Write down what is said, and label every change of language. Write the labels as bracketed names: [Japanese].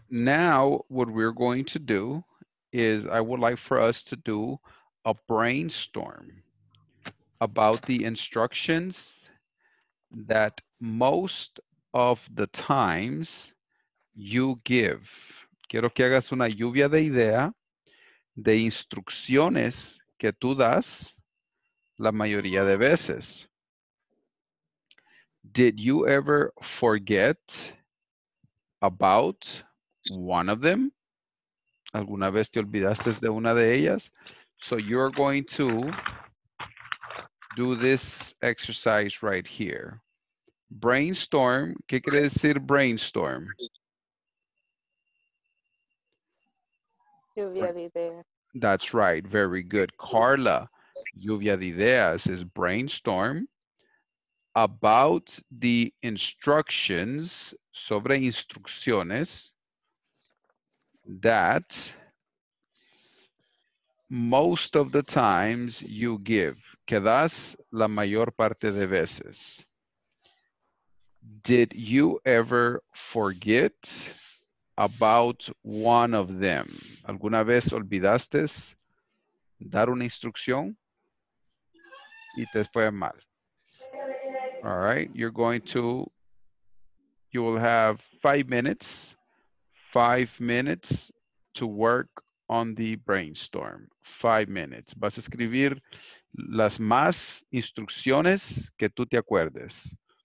[English] Now, what we're going to do is I would like for us to do a brainstorm about the instructions that most of the times you give. [Spanish] Quiero que hagas una lluvia de idea de instrucciones que tú das la mayoría de veces. [English] Did you ever forget about one of them? [Spanish] ¿Alguna vez te olvidaste de una de ellas? [English] So you're going to do this exercise right here. [Spanish] Brainstorm. ¿Qué quiere decir brainstorm? Lluvia de ideas. [English] That's right. Very good. Carla, [Spanish] lluvia de ideas [English] is brainstorm about the instructions, [Spanish] sobre instrucciones, [English] that most of the times you give. [Spanish] Que das la mayor parte de veces. [English] Did you ever forget about one of them? [Spanish] ¿Alguna vez olvidaste dar una instrucción y te fue mal? [English] All right, you're going to, you will have 5 minutes, 5 minutes to work on the brainstorm. 5 minutes. [Spanish] Vas a escribir las más instrucciones que tú te acuerdes.